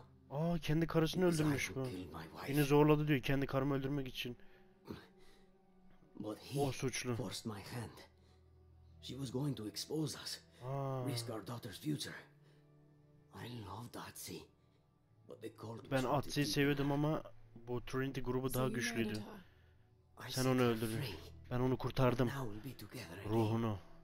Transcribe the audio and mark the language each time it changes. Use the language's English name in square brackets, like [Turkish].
[Turkish] Aa, kendi karısını öldürmüş bu. Beni zorladı diyor, kendi karımı öldürmek için. O suçlu. [English] She was going to expose us. Risk our daughter's future. I loved Atsi. [Turkish] Ben Atsi'yi seviyordum ama bu Trinity grubu daha güçlüydü. Sen onu öldürdün. Ben onu kurtardım. Ruhunu.